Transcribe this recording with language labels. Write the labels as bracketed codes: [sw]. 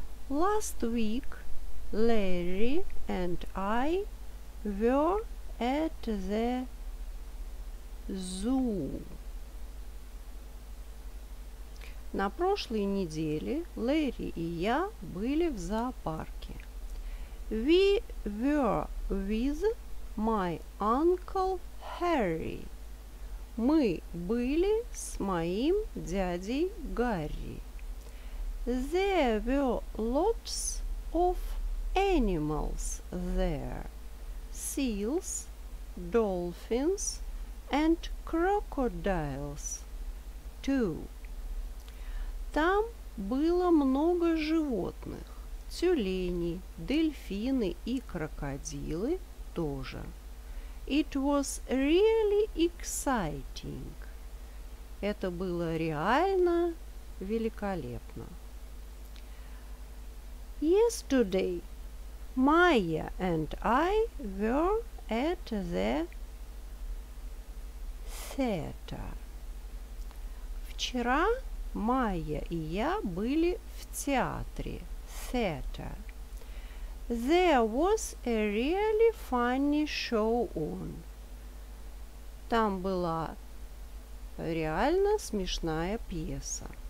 [en] Last week Larry and I were at the zoo. [ru] На прошлой неделе Лэри и я были в зоопарке. [en] We were with my uncle Harry. [ru] Мы были с моим дядей Гарри. [en] There were lots of animals there. Seals, dolphins and crocodiles too. [ru] Там было много животных. Тюлени, дельфины и крокодилы тоже. [en] It was really exciting. [ru] Это было реально великолепно. [en] Yesterday Maya and I were at the theater. [ru] Вчера Майя и я были в театре. [en] Theater. There was a really funny show on. [ru] Там была реально смешная пьеса.